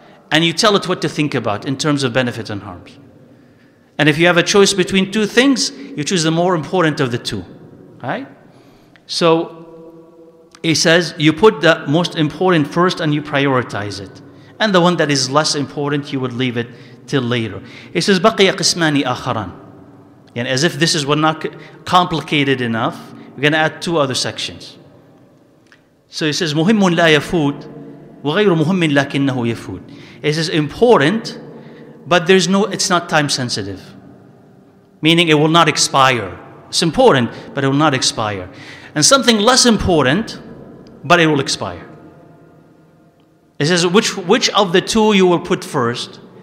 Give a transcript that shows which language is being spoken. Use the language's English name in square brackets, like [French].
[English] And you tell it what to think about in terms of benefits and harms. And if you have a choice between two things, you choose the more important of the two. Right? So he says, you put the most important first and you prioritize it. And the one that is less important, you would leave it till later. He says, [Arabic] بَقِيَ قِسْمَانِ أَخَرًا. [English] And as if this is not complicated enough, we're going to add two other sections. So he says, [Arabic] مُهِمٌ لَا يَفُوت وَغَيْرُ مُهِمٍ لَكِنَّهُ يَفُوت. [English] He says, important, but there's no, it's not time sensitive. Meaning it will not expire. It's important, but it will not expire. And something less important, but it will expire. He says, which of the two you will put first?